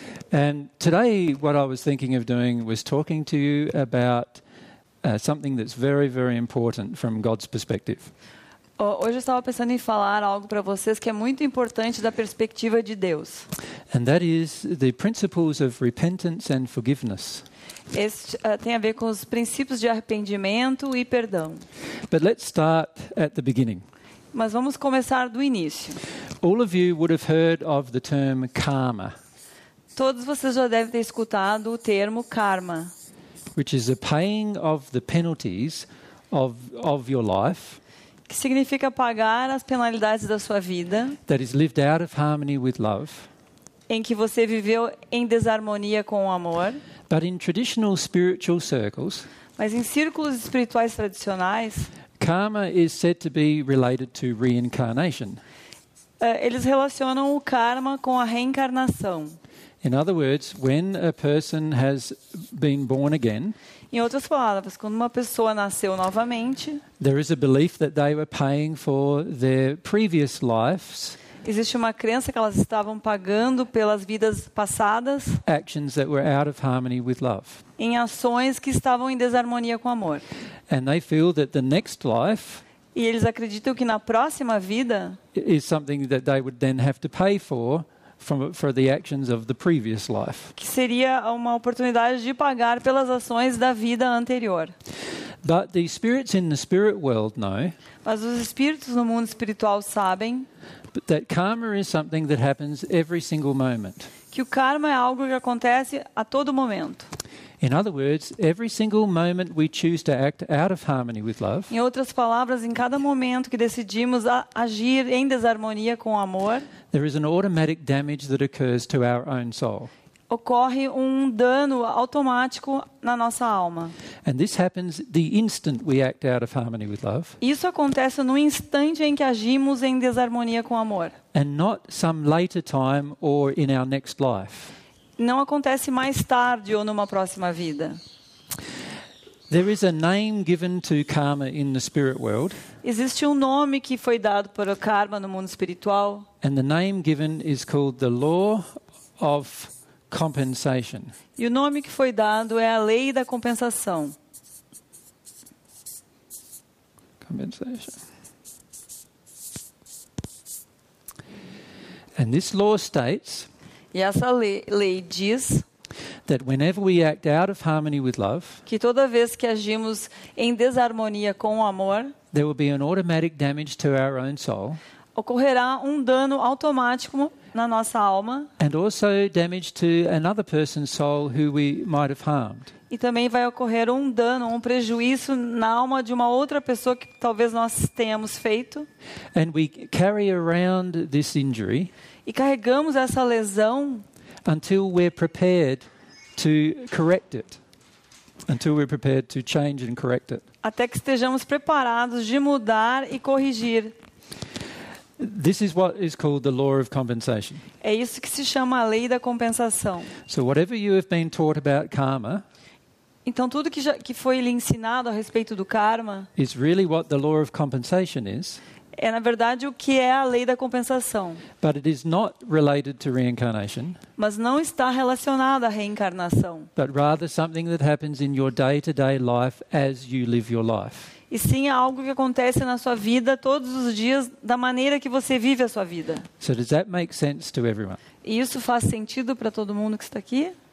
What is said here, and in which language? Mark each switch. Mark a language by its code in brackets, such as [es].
[en] And today what I was thinking of doing was talking to you about something that's very, very important from God's perspective. [pt] Hoje eu estava pensando em falar algo para vocês que é muito importante da perspectiva de Deus. [en] And that is the principles of repentance and forgiveness. [pt] Tem a ver com os princípios de arrependimento e perdão. [en] But let's start at the beginning. [pt] Mas vamos começar do início. [en] All of you would have heard of the term karma. [pt] Todos vocês já devem ter escutado o termo karma. [en] Which is the paying of the penalties of your life. [pt] Que significa pagar as penalidades da sua vida. [en] That is lived out of harmony with love. [pt] Em que você viveu em desarmonia com o amor. [en] But in traditional spiritual circles. [pt] Mas em círculos espirituais tradicionais. [en] Karma is said to be related to reincarnation. [pt] Eles relacionam o karma com a reencarnação. [en] In other words, when a person has been born again, [pt] em outras palavras, quando uma pessoa nasceu novamente, [en] there is a belief that they were paying for their previous lives. [pt] Existe uma crença que elas estavam pagando pelas vidas passadas. [en] Actions that were out of harmony with love. [pt] Em ações que estavam em desarmonia com o amor. [en] And they feel that the next life. [pt] E eles acreditam que na próxima vida [en] is something that they would then have to pay for. For the actions of the previous life. [pt] Que seria uma oportunidade de pagar pelas ações da vida anterior. [en] But the spirits in the spirit world know. [pt] Mas os espíritos no mundo espiritual sabem. [en] That karma is something that happens every single moment. [pt] Que o karma é algo que acontece a todo momento. [en] In other words, every single moment we choose to act out of harmony with love. [pt] Em outras palavras, em cada momento que decidimos agir em desarmonia com o amor, [en] there is an automatic damage that occurs to our own soul. [pt] Ocorre dano automático na nossa alma. [en] And this happens the instant we act out of harmony with love. [pt] Isso acontece no instante em que agimos em desarmonia com o amor. [en] And not some later time or in our next life. [pt] Não acontece mais tarde ou numa próxima vida. [en] There is a name given to karma in the spirit world. [pt] Existe nome que foi dado para o karma no mundo espiritual. [en] And the name given is called the law of compensation. [pt] E o nome que foi dado é a lei da compensação. [en] Compensation. And this law states. [pt] E essa lei diz [en] that whenever we act out of harmony with love, [pt] que toda vez que agimos em desarmonia com o amor, [en] there will be an automatic damage to our own soul, [pt] ocorrerá dano automático na nossa alma, [en] and also damage to another person's soul who we might have harmed. [pt] E também vai ocorrer dano, prejuízo na alma de uma outra pessoa que talvez nós tenhamos feito. [en] And we carry around this injury. [pt] E carregamos essa lesão [en] until we're prepared to correct it. Until we're prepared to change and correct it. [pt] Até que estejamos preparados de mudar e corrigir. [en] This is what is called the law of compensation. [pt] É isso que se chama a lei da compensação. [en] So whatever you have been taught about karma, [pt] então tudo que foi lhe ensinado a respeito do karma [en] is really what the law of compensation is. [pt] É, na verdade, o que é a lei da compensação. [en] But it is not related to reincarnation, [pt] mas não está relacionada à reencarnação. [en] But rather something that happens in your day-to-day life as you live your life. [pt] E sim algo que acontece na sua vida todos os dias da maneira que você vive a sua vida. [en] So does that make sense to everyone? [pt] E isso faz sentido para todo mundo que está aqui?